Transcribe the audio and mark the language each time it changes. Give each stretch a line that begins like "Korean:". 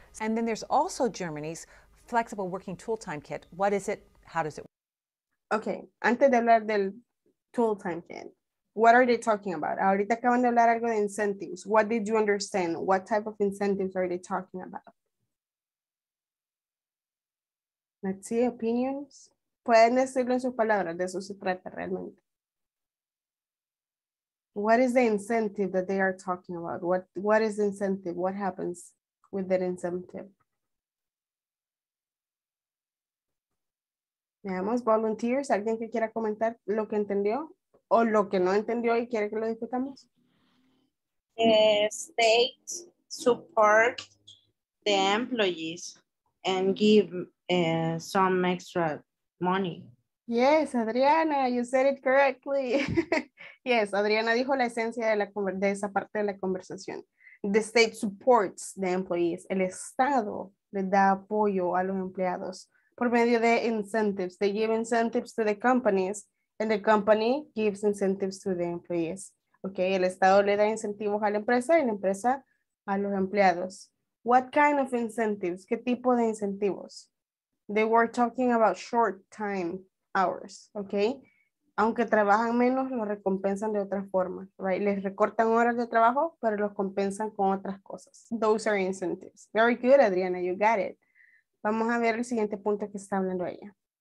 English: And then there's also Germany's flexible working tool time kit. What is it? How does it work? Okay,
Spanish: antes de hablar del
English: tool time kit, what are they talking about?
Spanish: Ahorita acaban de hablar algo de incentives.
English: What did you understand? What type of incentives are they talking about? Let's see, opinions.
Spanish: Pueden decirlo en sus palabras, de eso se trata realmente.
English: What is the incentive that they are talking about? What is incentive? What happens with that incentive?
Spanish: Veamos, volunteers, alguien que quiera comentar lo que entendió o lo que no entendió y quiere que lo discutamos.
English: State support the employees and give some extra money. Yes, Adriana, you said it correctly.
Spanish: Yes, Adriana dijo la esencia de esa parte de la conversación.
English: The state supports the employees.
Spanish: El Estado le da apoyo a los empleados por medio de incentives.
English: They give incentives to the companies and the company gives incentives to the employees.
Spanish: Okay, el Estado le da incentivos a la empresa y la empresa a los empleados.
English: What kind of incentives?
Spanish: ¿Qué tipo de incentivos?
English: They were talking about short time hours, okay?
Spanish: Aunque trabajan menos, los recompensan de otra forma, right? Les recortan horas de trabajo, pero los compensan con otras cosas.
English: Those are incentives. Very good, Adriana, you got it.
Spanish: Vamos a ver el siguiente punto que está hablando ella.